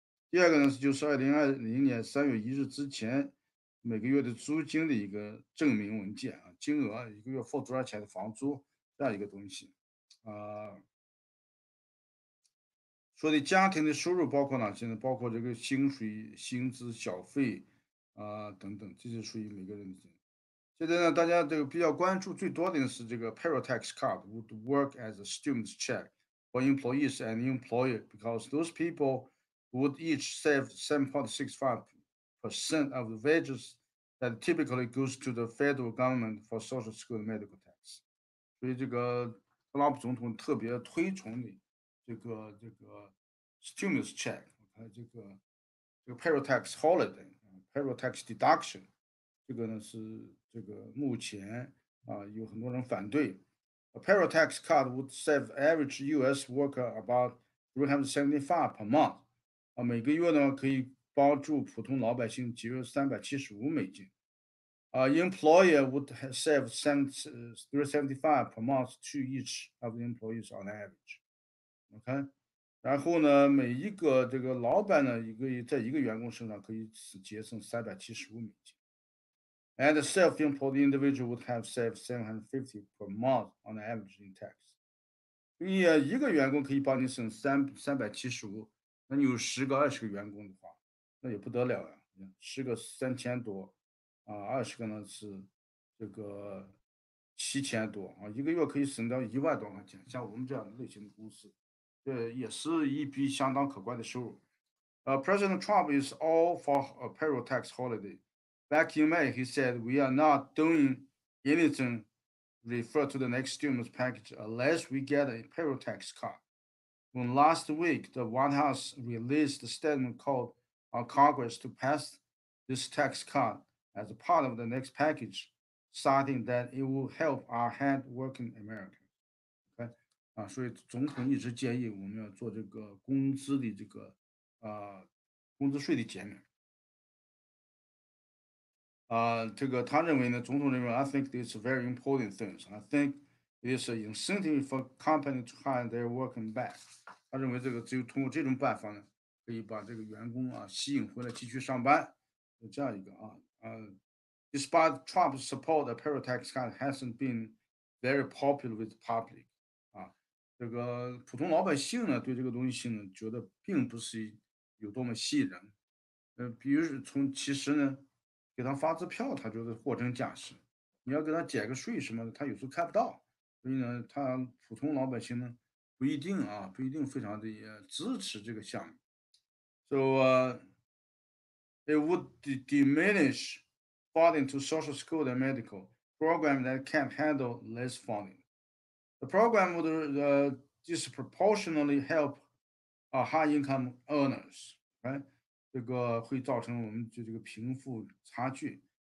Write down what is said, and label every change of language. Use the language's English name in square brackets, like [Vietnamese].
[Chinese] 第二个呢，就是2020年3月1日之前每个月的租金的一个证明文件啊，金额一个月付多少钱的房租这样一个东西，说的家庭的收入包括哪些呢？包括这个薪水、薪资、小费等等，这些属于每个人的。现在呢，大家这个比较关注最多的是这个 [English] payroll tax card would work as a stimulus check for employees and employer because those people would each save 7.65% of the wages that typically goes to the federal government for social security medical tax。 [Chinese] 所以这个特朗普总统特别推崇的这个。 [English] Stimulus check， [Chinese] 这个 [English] payroll tax holiday，payroll tax deduction， [Chinese] 这个呢是这个目前有很多人反对。 [English] A payroll tax cut would save average U.S. worker about $375 per month， [Chinese] 每个月呢可以帮助普通老百姓节约375美金。 [English] Employer would save $375 per month to each of the employees on average。 OK。 [Chinese] 然后呢，每一个这个老板呢，一个月在一个员工身上可以节省375美金。 [English] And self-employed individual would have saved $750 per month on average in tax。 [Chinese] 所以一个员工可以帮你省375，那你有10个20个员工的话，那也不得了呀，10个3000多，20个呢是这个7000多啊，一个月可以省到1万多块钱，像我们这样类型的公司。这也是一笔相当可观的收入。 [English] President Trump is all for a payroll tax holiday. Back in May, he said, "We are not doing anything referred to the next stimulus package unless we get a payroll tax cut." When last week, the White House released a statement called on Congress to pass this tax cut as a part of the next package, citing that it will help our hardworking Americans. [Chinese] 所以总统一直建议我们要做这个工资的这个工资税的减免。这个他认为呢，总统认为， [English] I think this is very important things. I think it is an incentive for company to hire their working back. [Chinese] 他认为这个只有通过这种办法呢，可以把这个员工吸引回来继续上班，这样一个 [English] Despite Trump's support, the payroll tax cut hasn't been very popular with the public. [Chinese] 这个普通老百姓呢，对这个东西呢，觉得并不是有多么吸引人。比如从其实呢，给他发支票，他觉得货真价实。你要给他减个税什么的，他有时候看不到。所以呢，他普通老百姓呢，不一定非常的支持这个项目。 [English] So, it would diminish funding to social security and medical program that can't handle less funding. The program would disproportionately help high-income earners， [Chinese] 这个会造成我们就这个贫富差距。